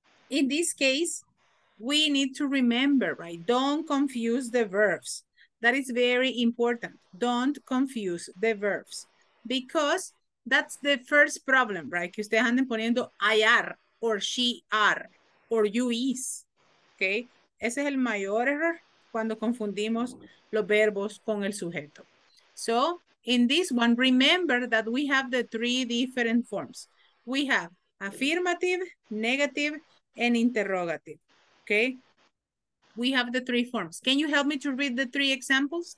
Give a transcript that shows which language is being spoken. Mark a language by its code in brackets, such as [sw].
[en] In this case, we need to remember, right? Don't confuse the verbs. That is very important. Don't confuse the verbs because that's the first problem, right? [es] Que ustedes anden poniendo [en] I are or she are. Or you is, okay? [es] Ese es el mayor error cuando confundimos los verbos con el sujeto. [en] So, in this one, remember that we have the three different forms. We have affirmative, negative, and interrogative, okay? We have the three forms. Can you help me to read the three examples?